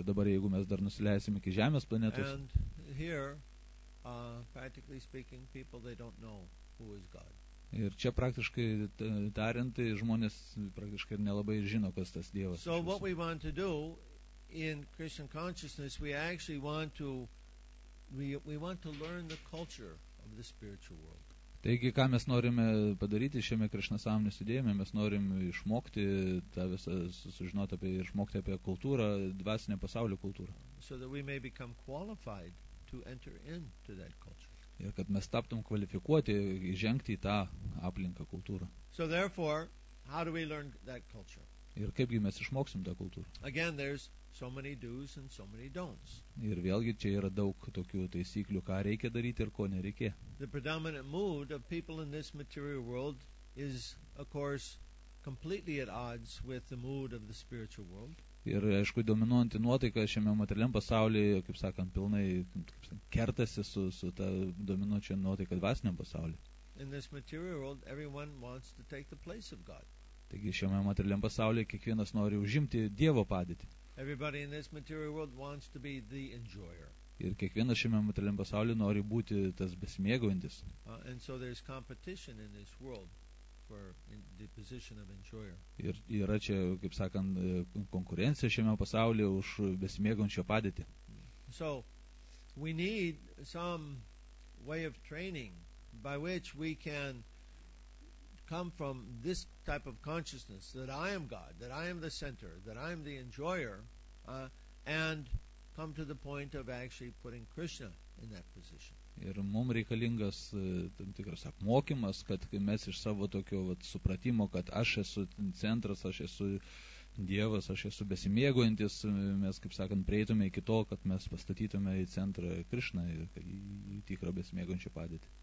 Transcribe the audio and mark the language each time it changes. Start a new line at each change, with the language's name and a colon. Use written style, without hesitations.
Lithuanian: dabar, jeigu mes dar nusileisime iki Žemės planetos,
English: and here, practically speaking, people, they don't know who is God.
Lithuanian: Ir čia praktiškai tariant, žmonės praktiškai nelabai žino, kas tas Dievas.
English: So what we want to do in Christian consciousness, we actually want to We want to learn the culture of the spiritual world.
Lithuanian: Taigi, ką mes norime padaryti šiame Krishna sąmonės judėjime, mes norim išmokti tą visą, sužinoti apie, išmokti apie kultūrą, dvasinę pasaulio kultūrą.
English: So that we may become qualified to enter into that culture.
Lithuanian: Ir kad mes taptum kvalifikuoti, įžengti į tą aplinką kultūrą.
English: So therefore, how do we learn that culture?
Lithuanian: Ir kaipgi mes išmoksim tą kultūrą?
English: Again, there's so many do's and so many don'ts.
Lithuanian: Ir vėlgi čia yra daug tokių taisyklių, ką reikia daryti ir ko nereikia.
English: The predominant mood of people in this material world is, of course, completely at odds with the mood of the spiritual world.
Lithuanian: Ir aišku, dominuojanti nuotaika šiame materialiam pasaulyje, kaip sakant, pilnai kaip sakant, kertasi su ta dominuojančia nuotaika dvasiniam pasaulyje.
English: In this material world, everyone wants to take the place of God.
Lithuanian: Taigi šiame materialiam pasaulyje kiekvienas nori užimti Dievo padėtį.
English: Everybody in this material world wants to be the enjoyer.
Lithuanian: Ir kiekvienas šiame materialiam pasaulyje nori būti tas besimėgaujantis.
English: And so there's competition in this world for the position of enjoyer.
Lithuanian: Ir yra čia, kaip sakant, konkurencija šiame pasaulyje už besimėgaujančio padėtį.
English: So we need some way of training by which we can come from this type of consciousness that I am God, that I am the center, that I am the enjoyer, and come to the point of actually putting Krishna in that position.
Lithuanian: Ir mums reikalingas tam tikras apmokymas, kad kai mes iš savo tokio vat, supratimo, kad aš esu centras, aš esu Dievas, aš esu besimėgojantis, mes, kaip sakant, prieitume iki to, kad mes pastatytume į centrą Krishna ir į tikrą besimėgojančią padėtį.